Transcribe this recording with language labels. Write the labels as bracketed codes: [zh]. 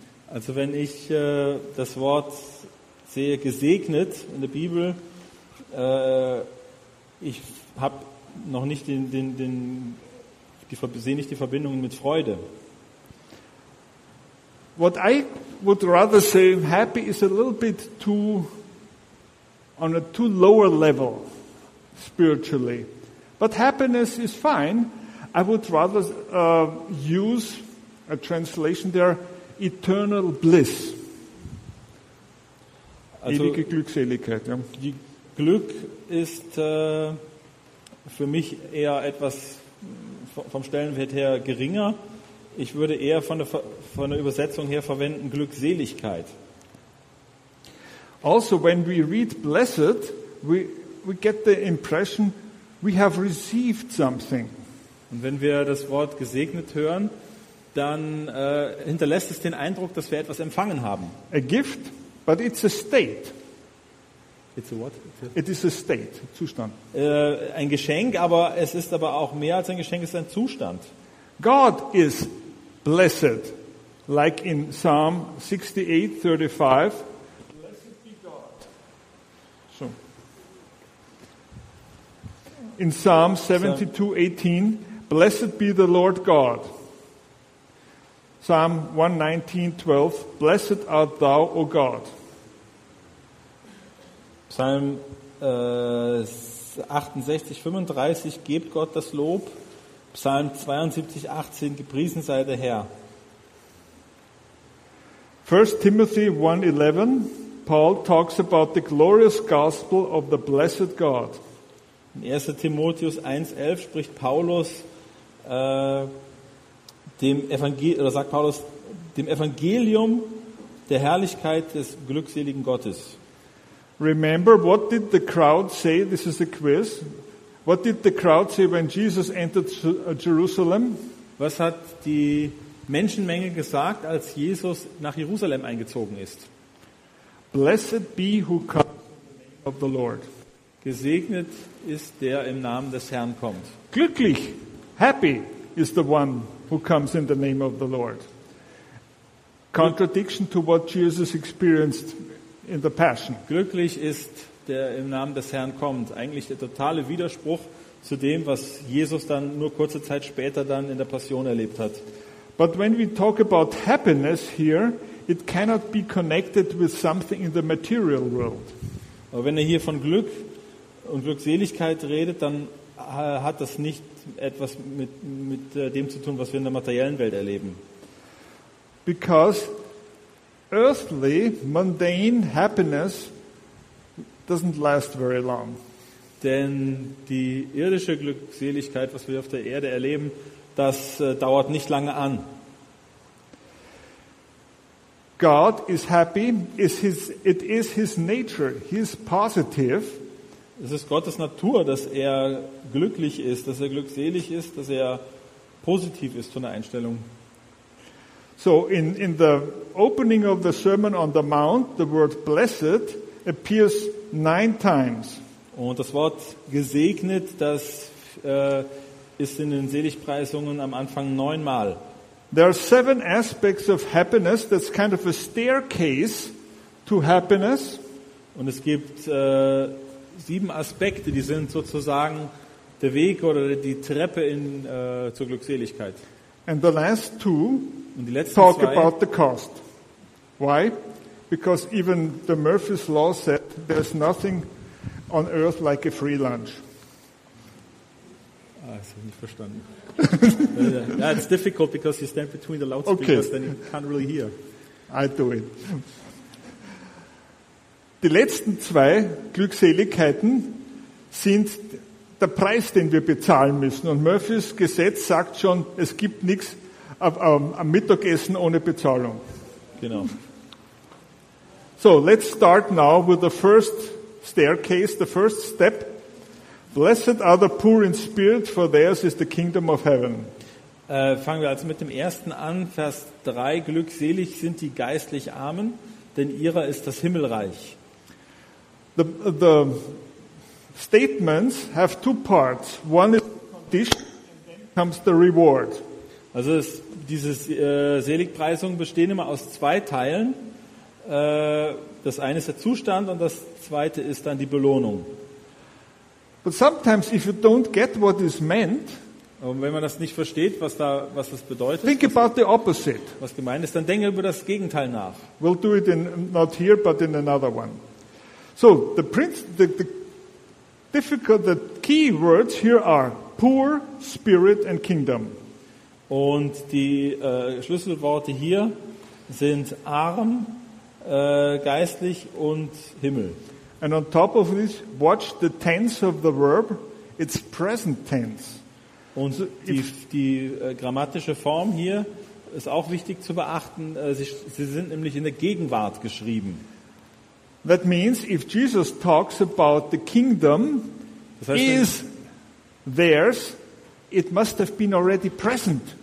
[de] Also wenn ich das Wort sehe, gesegnet in der Bibel, ich habe noch nicht die Verbindung mit Freude. [en] What I would rather say happy is a little bit too on a too lower level spiritually. But happiness is fine. I would rather use a translation there, eternal bliss. [de] Also ewige Glückseligkeit. Ja. Die Glück ist für mich eher etwas vom Stellenwert her geringer. Ich würde eher von der Übersetzung her verwenden, Glückseligkeit. [en] Also when we read blessed, we get the impression we have received something. [de] Und wenn wir das Wort gesegnet hören, dann hinterlässt es den Eindruck, dass wir etwas empfangen haben. [en] A gift, but it's a state. It's a what? It is a state, Zustand. [de] Ein Geschenk, aber es ist aber auch mehr als ein Geschenk, es ist ein Zustand. [en] God is blessed, like in Psalm 68:35. In Psalm 72:18, blessed be the Lord God. Psalm 119:12, blessed art thou, O God. [de] Psalm 68:35, gebt Gott das Lob. Psalm 72:18, gepriesen sei der Herr. [en] 1 Timothy 1:11, Paul talks about the glorious gospel of the blessed God. [de] In 1. Timotheus 1:11 spricht Paulus dem Evangelium der Herrlichkeit des glückseligen Gottes. [en] Remember, what did the crowd say? This is a quiz. What did the crowd say when Jesus entered Jerusalem? [de] Was hat die Menschenmenge gesagt, als Jesus nach Jerusalem eingezogen ist? [en] Blessed be who comes in the name of the Lord. [de] Gesegnet ist der im Namen des Herrn kommt. [en] Glücklich, happy is the one who comes in the name of the Lord. Contradiction to what Jesus experienced in the Passion. [de] Glücklich ist der im Namen des Herrn kommt. Eigentlich der totale Widerspruch zu dem, was Jesus dann nur kurze Zeit später dann in der Passion erlebt hat. [en] But when we talk about happiness here, it cannot be connected with something in the material world. [de] Aber wenn er hier von Glück und Glückseligkeit redet, dann hat das nicht etwas mit dem zu tun, was wir in der materiellen Welt erleben. [en] Because earthly, mundane happiness doesn't last very long. [de] Denn die irdische Glückseligkeit, was wir auf der Erde erleben, das dauert nicht lange an. [en] God is happy. It is his nature. He is positive. [de] Es ist Gottes Natur, dass er glücklich ist, dass er glückselig ist, dass er positiv ist von der Einstellung. [en] So in the opening of the Sermon on the Mount, the word blessed appears 9 times. [de] Und das Wort gesegnet, das ist in den Seligpreisungen am Anfang 9-mal. [en] There are 7 aspects of happiness. That's kind of a staircase to happiness. [de] Und es gibt 7 Aspekte, die sind sozusagen der Weg oder die Treppe in zur Glückseligkeit. [en] And the last 2 [de] und die letzten [en] talk [de] 2 [en] about the cost. Why? Because even the Murphy's Law said there's nothing on earth like a free lunch. [de] Ah, ich habe nicht verstanden. [en] Yeah, it's difficult because you stand between the loudspeakers, okay. Then you can't really hear. I do it. [de] Die letzten 2 Glückseligkeiten sind der Preis, den wir bezahlen müssen. Und Murphys Gesetz sagt schon, es gibt nichts am Mittagessen ohne Bezahlung. Genau. [en] So, let's start now with the first staircase, the first step. Blessed are the poor in spirit, for theirs is the kingdom of heaven. [de] Fangen wir also mit dem ersten an, Vers 3, glückselig sind die geistlich Armen, denn ihrer ist das Himmelreich. [en] The statements have two parts. One is condition, and then comes the reward. [de] Also es, dieses Seligpreisung bestehen immer aus zwei Teilen. Das eine ist der Zustand und das zweite ist dann die Belohnung. [en] But sometimes if you don't get what is meant, [de] und wenn man das nicht versteht, was da was das bedeutet, [en] think about the opposite. [de] Was gemeint ist, dann denke über das Gegenteil nach. [en] We'll do it in not here, but in another one. So the prince, the difficult, the key words here are poor, spirit and kingdom. [de] Und die Schlüsselworte hier sind arm, geistlich und Himmel. [en] And on top of this, watch the tense of the verb. It's present tense. [de] Und so die grammatische Form hier ist auch wichtig zu beachten. Sie sind nämlich in der Gegenwart geschrieben. [en] That means if Jesus talks about the kingdom, [de] das heißt, [en] is theirs, it must have been already present.